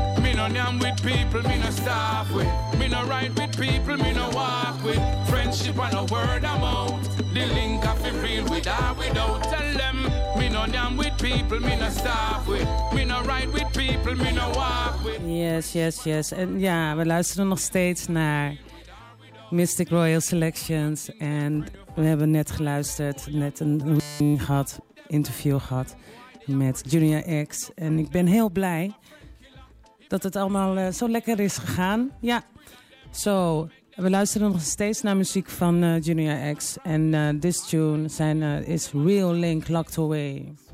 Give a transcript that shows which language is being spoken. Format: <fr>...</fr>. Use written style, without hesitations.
<en>Me no name with people, me no staff with. Me no ride with people, me no walk with. Friendship and a word I'm out. The link of it real with or without. Tell them. Me no name with people, me no staff with. Me no ride with people, me no walk with. Yes, yes, yes.</en> <nl>En ja, we luisteren nog steeds naar Mystic Royal Selections. En we hebben net geluisterd, net een interview gehad met Junior X. En ik ben heel blij dat het allemaal zo lekker is gegaan. Ja, zo. So, we luisteren nog steeds naar muziek van Junior X.</nl> <en>En this tune is Real Link Locked Away.</en>